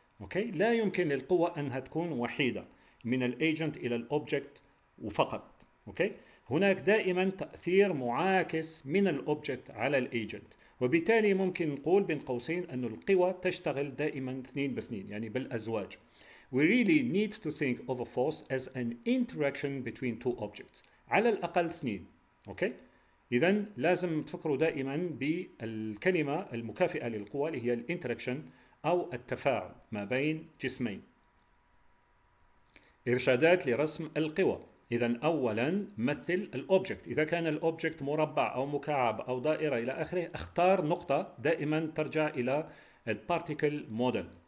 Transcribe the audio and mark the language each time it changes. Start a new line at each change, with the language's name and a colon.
Arabic: Okay؟ لا يمكن للقوة أنها تكون وحيدة من الagent إلى الobject وفقط. اوكي، هناك دائما تاثير معاكس من الاوبجكت على الايجنت، وبالتالي ممكن نقول بين قوسين ان القوى تشتغل دائما اثنين باثنين، يعني بالازواج.
English: We really need to think of a force as an interaction between two objects،
Arabic: على الاقل اثنين. اوكي، اذا لازم تفكروا دائما بالكلمه المكافئه للقوى اللي هي الانتراكشن او التفاعل ما بين جسمين. ارشادات لرسم القوى. إذا أولا مثل الأوبجكت، إذا كان الأوبجكت مربع أو مكعب أو دائرة إلى آخره، اختار نقطة دائما ترجع إلى البارتيكل مودل.